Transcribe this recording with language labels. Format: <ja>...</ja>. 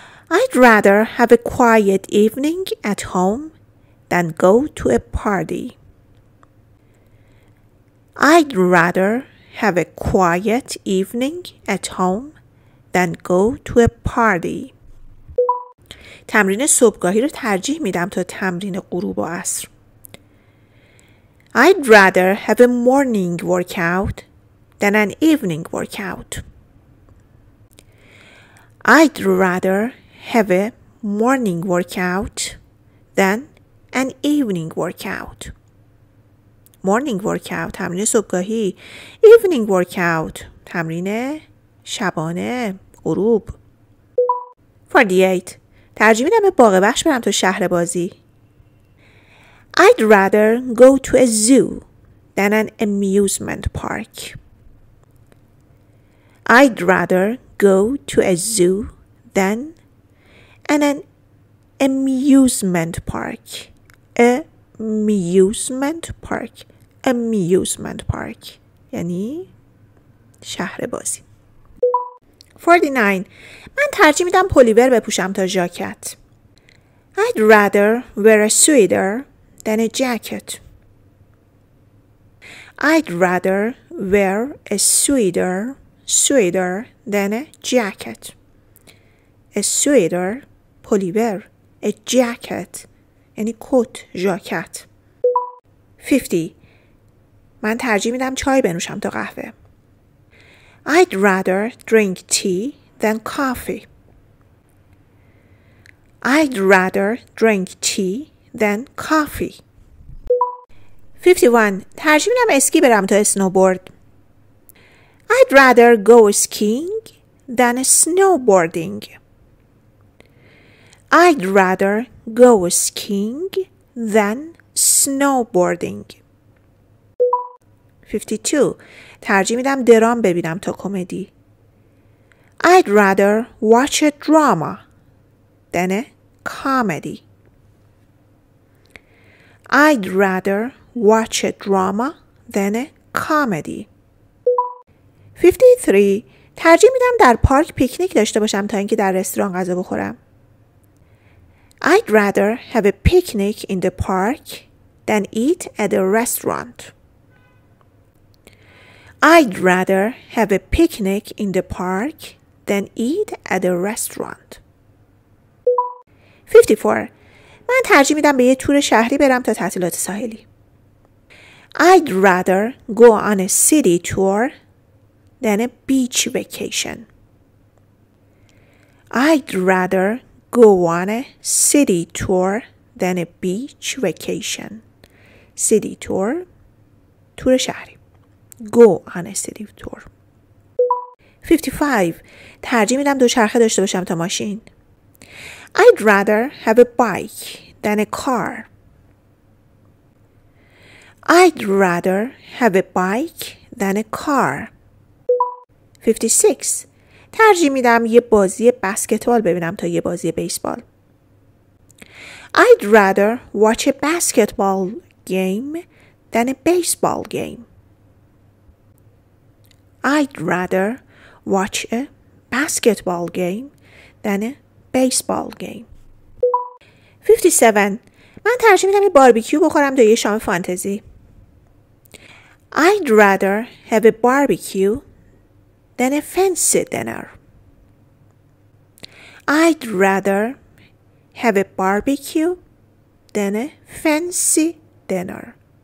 <en>I'd rather have a quiet evening at home than go to a party. I'd rather have a quiet evening at home than go to a party.</en> <fa>تمرین صبحگاهی رو ترجیح میدم تا تمرین غروب و عصر.</fa> <en>I'd rather have a morning workout than an evening workout. I'd rather have a morning workout than an evening workout. Morning workout,</en> <fa>تمرین صبحگاهی.</fa> <en>Evening workout,</en> <fa>تمرین شبانه، غروب. 48. ترجیح میدم به باغ وحش برم تو شهر بازی.</fa> <en>I'd rather go to a zoo than an amusement park. I'd rather go to a zoo than an amusement park. Amusement park. Amusement park.</en> <fa>یعنی شهر بازی. 49. من ترجیح میدم پولیور بپوشم تا جاکت.</fa> <en>I'd rather wear a sweater than a jacket. I'd rather wear a sweater than a jacket. A sweater, پولیور. A jacket,</en> <fa>یعنی کت، جاکت.</fa> <en>50.</en> <fa>من ترجیح میدم چای بنوشم تا قهوه.</fa> <en>I'd rather drink tea than coffee. I'd rather drink tea than coffee. 51.</en> <fa>ترجیح میدم اسکی برم تا اسنوبورد.</fa> <en>I'd rather go skiing than snowboarding. I'd rather go skiing than snowboarding. 52.</en> <fa>ترجیح میدم درام ببینم تا کمدی.</fa> <en>I'd rather watch a drama than a comedy. I'd rather watch a drama than a comedy. 53.</en> <fa>ترجیح میدم در پارک پیکنیک داشته باشم تا اینکه در رستوران غذا بخورم.</fa> <en>I'd rather have a picnic in the park than eat at a restaurant. I'd rather have a picnic in the park than eat at a restaurant. 54.</en> <fa>من ترجیح میدم به یه تور شهری برم تا تعطیلات ساحلی.</fa> <en>I'd rather go on a city tour than a beach vacation. I'd rather go on a city tour than a beach vacation. City tour,</en> <fa>تور شهری.</fa> <en>Go on a city tour. 55.</en> <fa>ترجیح میدم دوچرخه داشته باشم تا ماشین.</fa> <en>I'd rather have a bike than a car. I'd rather have a bike than a car. 56.</en> <fa>ترجیح میدم یه بازی بسکتبال ببینم تا یه بازی بیسبال.</fa> <en>I'd rather watch a basketball game than a baseball game. I'd rather watch a basketball game than a baseball game. 57.</en> <fa>من ترجیح میدم یه باربیکیو بخورم تا یه شام فانتزی.</fa> <en>I'd rather have a barbecue than a fancy dinner. I'd rather have a barbecue than a fancy dinner.</en>